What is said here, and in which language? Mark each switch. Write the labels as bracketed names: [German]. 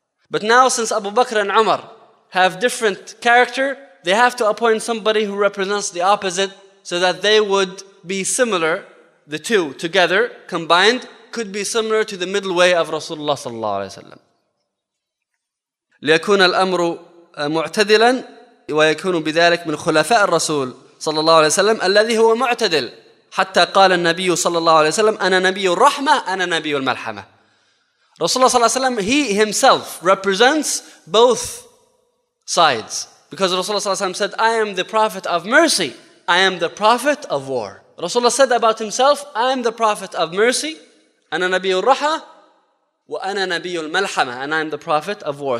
[English] But now, since Abu Bakr and Umar have different character, they have to appoint somebody who represents the opposite so that they would be similar, the two together combined, could be similar to the middle way of Rasulullah sallallahu alayhi wa sallam. [Arabic] لِيَكُونَ الْأَمْرُ مُعْتَدِلًا وَيَكُونُ بِذَلِكَ مِنْ خُلَفَاءِ الرَّسُولِ صلى الله عليه وسلم الذي هو معتدل حتى قال النبي صلى الله عليه وسلم أنا نبي الرحمة أنا نبي الملحمة. [English] Rasulullah sallallahu alayhi wa sallam, he himself represents both sides. Because Rasulullah sallallahu alayhi wa sallam said, I am the prophet of mercy, I am the prophet of war. Rasulullah said about himself, I am the prophet of mercy, [Arabic] أَنَا نَبِيُّ الرَّحَمَةِ وَأَنَا نَبِيُّ الْمَلْحَمَةِ, [English] and I am the prophet of war.